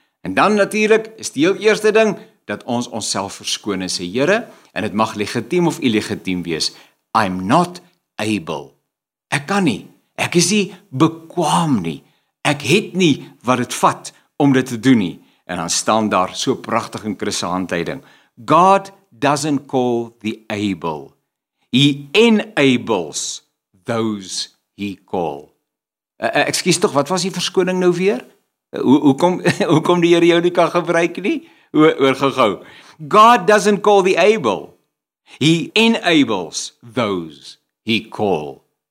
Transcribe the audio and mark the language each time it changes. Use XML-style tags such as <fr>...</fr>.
<af>En dan natuurlik is die heel eerste ding dat ons onsself verskoon en sê Here, en dit mag legitiem of illegitiem wees,</af> <en>I'm not able.</en> <af>Ek kan nie. Ek is nie bekwaam nie. Ek het nie wat dit vat om dit te doen nie. En dan staan daar so pragtig in Christus se handleiding.</af> <en>God doesn't call the able. He enables those he call.</en> <af>Ekskuus tog, wat was die verskoning nou weer? Hoekom die Here jou nie kan gebruik nie? Oor gegaan.</af> <en>God doesn't call the able. He enables those he call.</en>